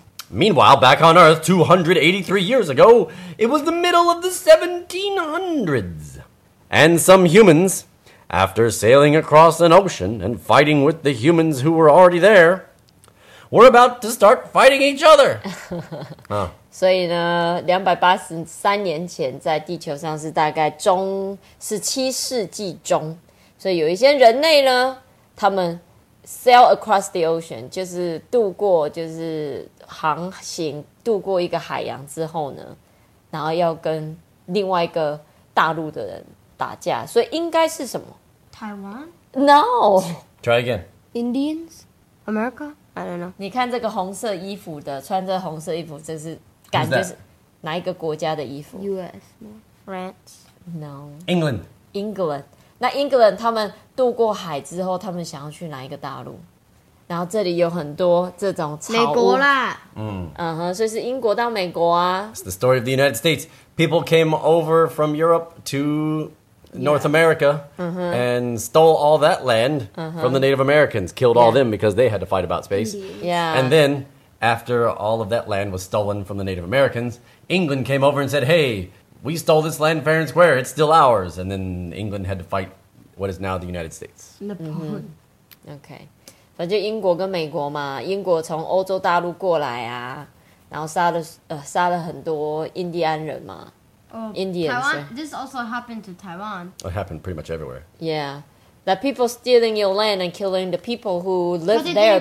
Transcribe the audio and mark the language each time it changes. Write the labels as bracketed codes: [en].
[en] Meanwhile, back on Earth, 283 years ago, it was the middle of the 1700s. And some humans, after sailing across an ocean and fighting with the humans who were already there, were about to start fighting each other. [zh] 所以呢,283年前在地球上是大概中17世纪中。所以有一些人类呢他们 [en] sail across the ocean, [zh] 就是渡过就是航行渡过一个海洋之后呢，然后要跟另外一个大陆的人打架，所以应该是什么？台湾 [en] ？No. Try again. Indians, America. I don't know. [zh] 你看这个红色衣服的，穿着红色衣服，这是感觉是哪一个国家的衣服 [en] ？U.S. France. No. England. [zh] England. 那 England 他们渡过海之后，他们想要去哪一个大陆？然后这里有很多这种草屋美国啦所以是英国到美国啊 [en] It's the story of the United States People came over from Europe to North America And stole all that land from the Native Americans Killed all them because they had to fight about space And then after all of that land was stolen from the Native Americans England came over and said Hey, we stole this land fair and square It's still ours And then England had to fight what is now the United States [zh] Okay反正英国跟美国嘛，英国从欧洲大陆过来啊，然后杀了很多印第安人嘛。 [en] Indians. Taiwan, this also happened to Taiwan. It happened pretty much everywhere. Yeah, that people stealing your land and killing the people who lived there before.